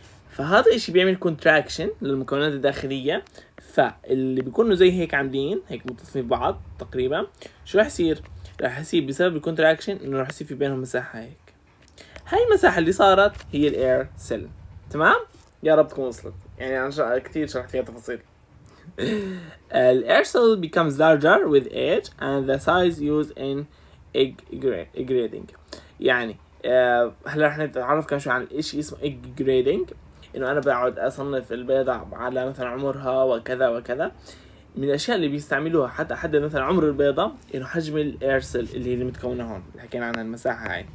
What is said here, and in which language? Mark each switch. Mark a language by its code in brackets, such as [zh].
[ar] فهذا الإشي بيعمل contraction للمكونات الداخلية، فاللي بيكونوا زي هيك عاملين هيك متصلين ببعض تقريبا شو رح يصير؟ رح يصير بسبب contraction إنه رح يصير في بينهم مساحة هيك. هاي المساحة اللي صارت هي الاير سيل. تمام؟ يا رب تكون وصلت، يعني أنا كتير شرحت فيها تفاصيل. [en] الاير cell becomes larger with age and the size used in egg grading. [ar] يعني هلا رح نتعرف كم شو عن ايش اسمه egg grading، انه انا بقعد اصنف البيضة على مثلا عمرها وكذا وكذا. من الاشياء اللي بيستعملوها حتى حد مثلا عمر البيضة انه حجم الاير سيل اللي هي اللي متكونة هون، حكينا عنها المساحة هاي.